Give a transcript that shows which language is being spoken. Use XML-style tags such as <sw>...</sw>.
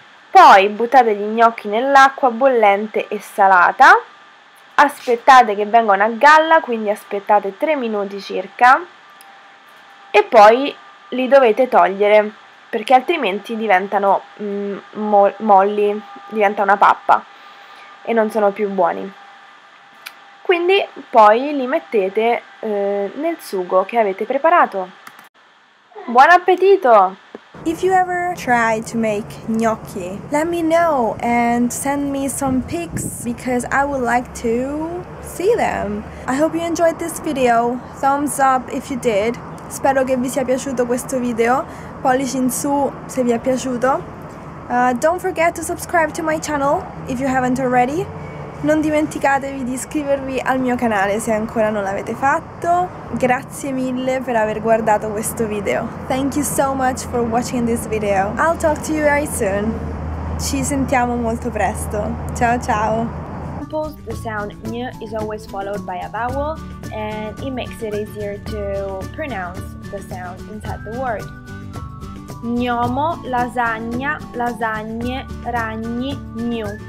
<it>Poi buttate gli gnocchi nell'acqua bollente e salata, aspettate che vengano a galla, quindi aspettate 3 minuti circa, e poi li dovete togliere, perché altrimenti diventano molli, diventa una pappa e non sono più buoni. Quindi poi li mettete nel sugo che avete preparato. Buon appetito!</it> <en>If you ever try to make gnocchi, let me know and send me some pics because I would like to see them. I hope you enjoyed this video. Thumbs up if you did.</en> <it>Spero che vi sia piaciuto questo video. Pollice in su se vi è piaciuto.</it> <en>Don't forget to subscribe to my channel if you haven't already.</en> <it>Non dimenticatevi di iscrivervi al mio canale se ancora non l'avete fatto. Grazie mille per aver guardato questo video.</it> <en>Thank you so much for watching this video. I'll talk to you very soon.</en> <it>Ci sentiamo molto presto. Ciao ciao.</it> <en>The sound ny is always followed by a vowel and it makes it easier to pronounce the sound inside the word.</en> <it>Gnomo, lasagna, lasagne, ragni, gnu.</it>